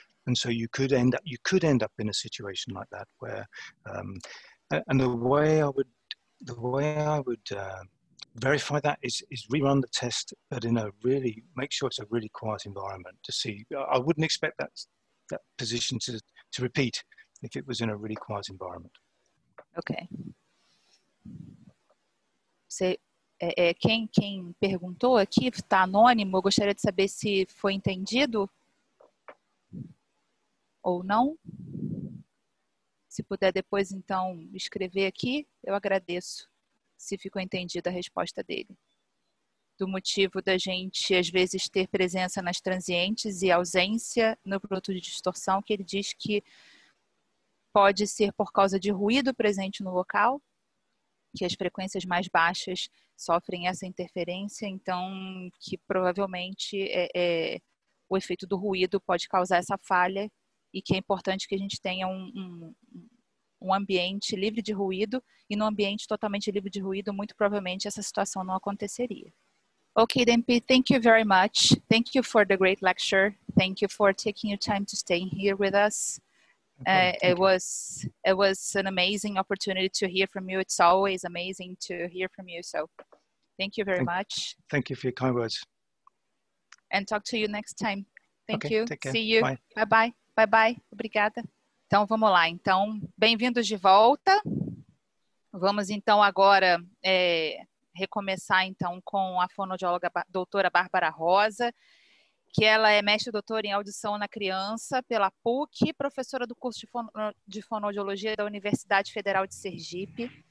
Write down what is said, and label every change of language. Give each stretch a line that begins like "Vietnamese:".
English: And so you could end up in a situation like that where the way I would verify that is rerun the test, but in a really, make sure it's a really quiet environment to see. I wouldn't expect that position to repeat if it was in a really quiet environment. Okay.
Portuguese: Você, quem perguntou aqui, está anônimo, eu gostaria de saber se foi entendido ou não. Se puder depois, então, escrever aqui, eu agradeço se ficou entendida a resposta dele. Do motivo da gente, às vezes, ter presença nas transientes e ausência no produto de distorção, que ele diz que pode ser por causa de ruído presente no local, que as frequências mais baixas sofrem essa interferência, então que provavelmente o efeito do ruído pode causar essa falha e que é importante que a gente tenha um ambiente livre de ruído, e num ambiente totalmente livre de ruído, muito provavelmente essa situação não aconteceria.
English: Okay, then, Pete, thank you very much. Thank you for the great lecture. Thank you for taking your time to stay here with us. It was an amazing opportunity to hear from you. It's always amazing to hear from you. So thank you very much. Thank you for your kind words. And talk to you next time. Thank okay, you. See you. Bye. Bye-bye. Bye-bye.
Portuguese: Obrigada. Então, vamos lá. Então, bem-vindos de volta. Vamos, então, agora recomeçar, então, com a fonoaudióloga doutora Bárbara Rosa, que ela é mestre doutora em audição na criança pela PUC, professora do curso de fonoaudiologia da Universidade Federal de Sergipe.